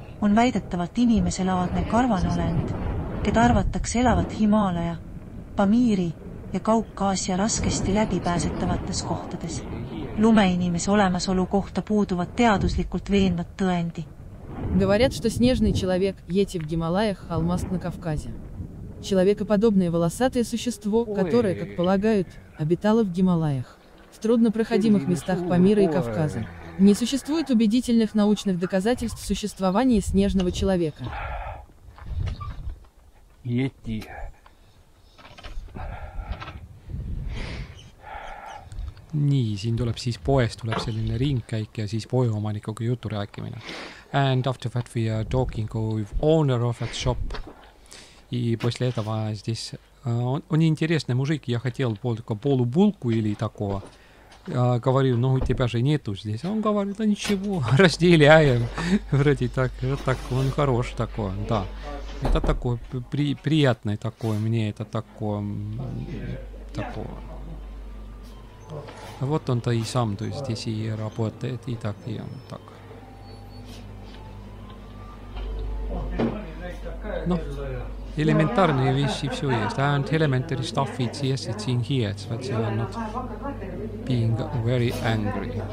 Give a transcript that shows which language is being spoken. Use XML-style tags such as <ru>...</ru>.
<et>On väidetavalt inimese laadne karvanolend, keda arvatakse elavat Himalaja, Pamiiri ja Kaukaasia raskesti läbipääsetavates kohtades. Lumeinimese olemasolu kohta puuduvad teaduslikult veenvad tõendi.</et> <ru>Говорят, что снежный человек Йети в Гималаях, холмаст на Кавказе. Человекоподобное волосатое существо, которое, как полагают, обитало в Гималаях, в труднопроходимых местах Памира и Кавказа. Не существует убедительных научных доказательств существования снежного человека. Йети.</ru> <et>Nii, siin tuleb siis poest tuleb selline ringkäik ja siis poeomanikuga juttu rääkimine.</et> <en>And after that we are talking with owner of that shop.</en> <ru>И после этого здесь он интересный мужик, я хотел только полубулку или такого. Говорил, ну у тебя же нету здесь. Он говорит, да ничего, разделяем. Вроде так, вот так, он хорош такой, да. Это такое, приятное такое, мне это такое, такое. Вот он-то и сам, то есть здесь и работает, и так, и он так. Ну, элементарные вещи все есть.</ru> <en>And elementary stuff, it's yes, it's in here, it's that they are not being very angry.</en>